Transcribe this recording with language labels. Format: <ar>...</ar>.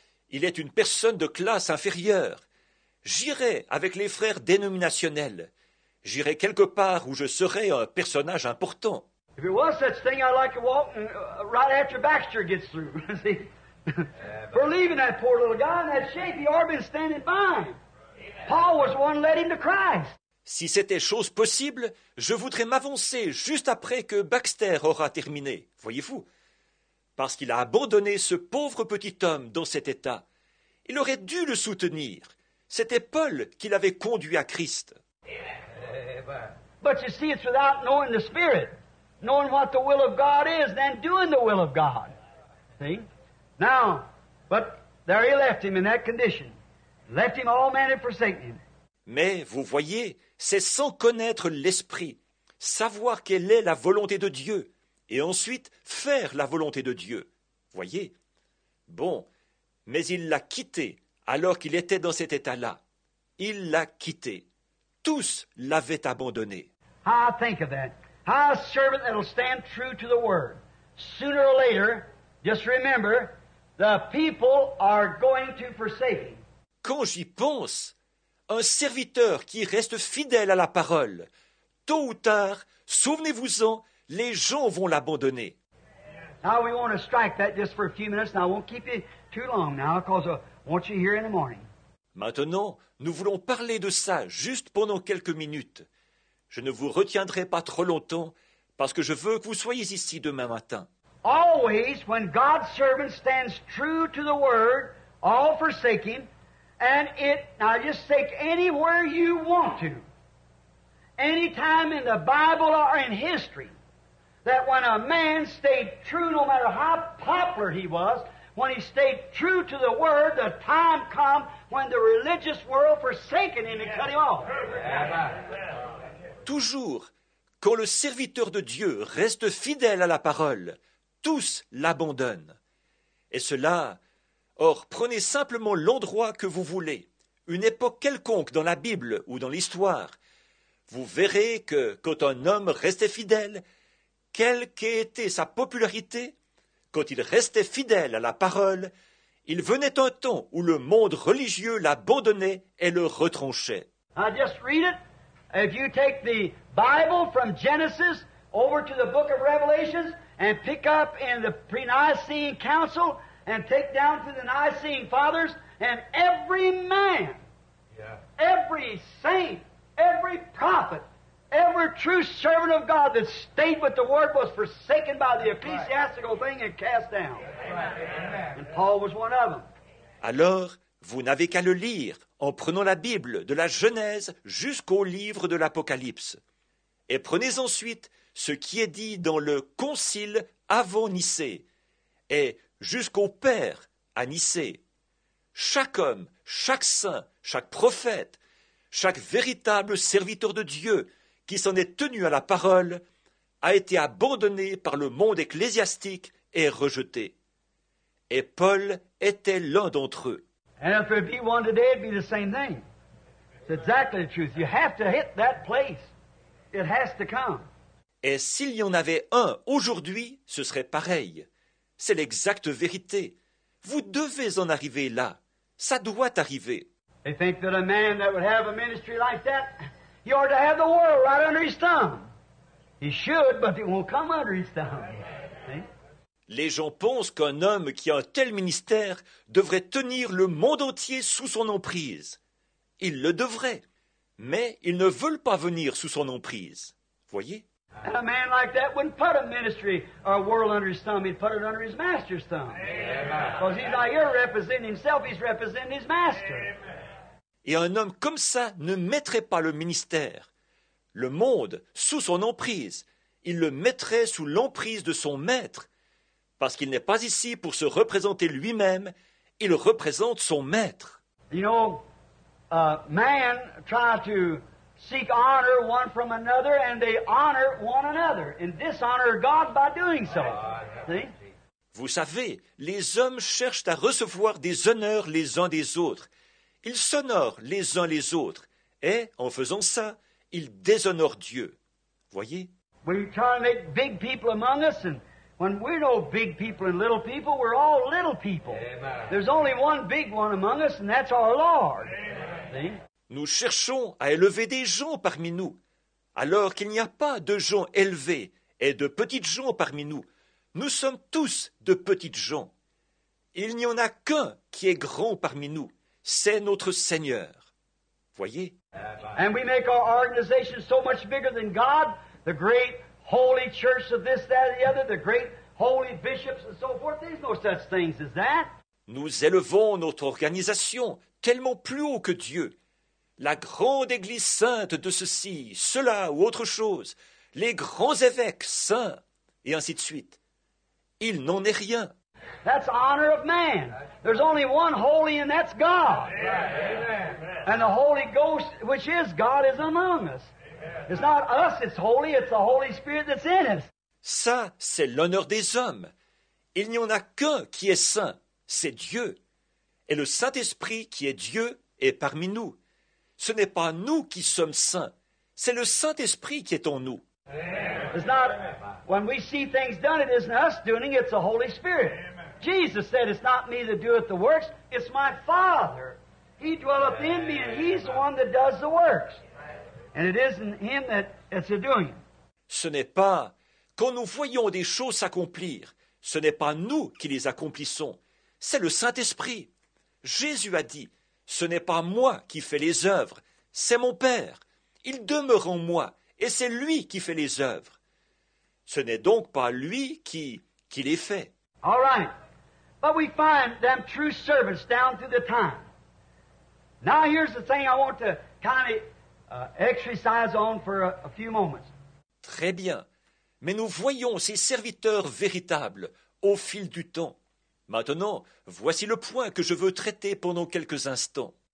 <fr>Il est une personne de classe inférieure. J'irai avec les frères dénominationnels. J'irai quelque part où je serai un personnage important.</fr> <en>If it was such thing, I'd like to walk right after Baxter gets through. See? For leaving that poor little guy in that shape, he ought to have been standing fine. Paul was one led him to Christ.</en> <fr>Si c'était chose possible, je voudrais m'avancer juste après que Baxter aura terminé, voyez-vous. Parce qu'il a abandonné ce pauvre petit homme dans cet état. Il aurait dû le soutenir. C'était Paul qui l'avait conduit à Christ.</fr> <en>But you see, it's without knowing the Spirit, knowing what the will of God is, then doing the will of God. See? Now, but there he left him in that condition. Left him all manner forsaken him.</en> <fr>Mais, vous voyez, c'est sans connaître l'Esprit, savoir quelle est la volonté de Dieu, et ensuite faire la volonté de Dieu. Voyez? Bon, mais il l'a quitté alors qu'il était dans cet état-là. Il l'a quitté. Tous l'avaient abandonné.</fr> <en>Ah, think of that. Ah, servant that'll stand true to the word. Sooner or later, just remember, the people are going to forsake him.</en> <fr>Quand j'y pense, un serviteur qui reste fidèle à la parole, tôt ou tard, souvenez-vous-en, les gens vont l'abandonner.</fr> <en>Now we want to strike that just for a few minutes, and I won't keep you too long now, because I want you here in the morning.</en> <fr>Maintenant, nous voulons parler de ça juste pendant quelques minutes. Je ne vous retiendrai pas trop longtemps parce que je veux que vous soyez ici demain matin.</fr> <en>Always when God's servant stands true to the word, all forsake him, and it now just take anywhere you want to. Any time in the Bible or in history that when a man stayed true no matter how popular he was, when he stayed true to the word, the time come when the religious world forsaken him and cut him off.</en> <fr>Toujours, quand le serviteur de Dieu reste fidèle à la parole, tous l'abandonnent. Et cela, or, prenez simplement l'endroit que vous voulez, une époque quelconque dans la Bible ou dans l'histoire. Vous verrez que, quand un homme restait fidèle, quelle qu'ait été sa popularité, quand il restait fidèle à la parole, il venait un temps où le monde religieux l'abandonnait et le retranchait.</fr> <en>I just read it. If you take the Bible from Genesis over to the book of Revelations and pick up in the pre-Nicene Council and take down to the Nicene Fathers, and every man, every saint, every prophet, every true servant of God that stayed with the word was forsaken by the ecclesiastical thing and cast down. Amen. And Paul was one of them.</en> <fr>Alors, vous n'avez qu'à le lire en prenant la Bible de la Genèse jusqu'au livre de l'Apocalypse. Et prenez ensuite ce qui est dit dans le Concile avant Nicée et jusqu'au Père à Nicée. Chaque homme, chaque saint, chaque prophète, chaque véritable serviteur de Dieu qui s'en est tenu à la parole, a été abandonné par le monde ecclésiastique et rejeté. Et Paul était l'un d'entre eux.</fr> <en>And if there'd be one today, it'd be the same thing. It's exactly the truth. You have to hit that place. It has to come.</en> <fr>Et s'il y en avait un aujourd'hui, ce serait pareil. C'est l'exacte vérité. Vous devez en arriver là. Ça doit arriver.</fr> <en>They think that a man that would have a ministry like that, he ought to have the world right under his thumb. He should, but it won't come under his thumb.</en> <fr>Les gens pensent qu'un homme qui a un tel ministère devrait tenir le monde entier sous son emprise. Ils le devraient, mais ils ne veulent pas venir sous son emprise. Voyez?</fr> <en>And a man like that wouldn't put a ministry or a world under his thumb, he'd put it under his master's thumb. Amen. Because he's not here representing himself, he's representing his master. Amen.</en> <fr>Et un homme comme ça ne mettrait pas le ministère, le monde, sous son emprise. Il le mettrait sous l'emprise de son maître. Parce qu'il n'est pas ici pour se représenter lui-même, il représente son maître.</fr> <en>You know, man try to seek honor one from another, and they honor one another, and dishonor God by doing so. See?</en> <fr>Vous savez, les hommes cherchent à recevoir des honneurs les uns des autres. Ils s'honorent les uns les autres, et en faisant ça, ils déshonorent Dieu. Voyez?</fr> <en>We try to make big people among us, and when we're no big people and little people, we're all little people. Amen. There's only one big one among us, and that's our Lord. Amen.</en> <fr>Nous cherchons à élever des gens parmi nous, alors qu'il n'y a pas de gens élevés et de petites gens parmi nous. Nous sommes tous de petites gens. Il n'y en a qu'un qui est grand parmi nous, c'est notre Seigneur. Voyez.</fr> <en>And we make our organization so much bigger than God, the great holy church of this, that, or the other, the great holy bishops and so forth. There's no such things as that.</en> <fr>Nous élevons notre organisation tellement plus haut que Dieu. La grande église sainte de ceci, cela ou autre chose, les grands évêques saints, et ainsi de suite. Il n'en est rien.</fr> <en>That's honor of man. There's only one holy, and that's God. Amen. And the Holy Ghost, which is God, is among us. It's not us that's holy, it's the Holy Spirit that's in us.</en> <fr>Ça, c'est l'honneur des hommes. Il n'y en a qu'un qui est saint, c'est Dieu. Et le Saint-Esprit qui est Dieu est parmi nous. Ce n'est pas nous qui sommes saints, c'est le Saint-Esprit qui est en nous.</fr> <en>It's not, when we see things done, it isn't us doing it, it's the Holy Spirit. Jesus said, it's not me that doeth the works, it's my Father. He dwelleth in me, and he's the one that does the works. And it isn't him that is doing it.</en> <fr>Ce n'est pas, quand nous voyons des choses s'accomplir, ce n'est pas nous qui les accomplissons, c'est le Saint-Esprit. Jésus a dit, ce n'est pas moi qui fais les œuvres, c'est mon Père. Il demeure en moi, et c'est lui qui fait les œuvres. Ce n'est donc pas lui qui les fait.</fr> <en>All right. But we find them true servants down through the time. Now here's the thing I want to kind of exercise on for a few moments.</en> <fr>Très bien. Mais nous voyons ces serviteurs véritables au fil du temps. Maintenant, voici le point que je veux traiter pendant quelques instants.</fr>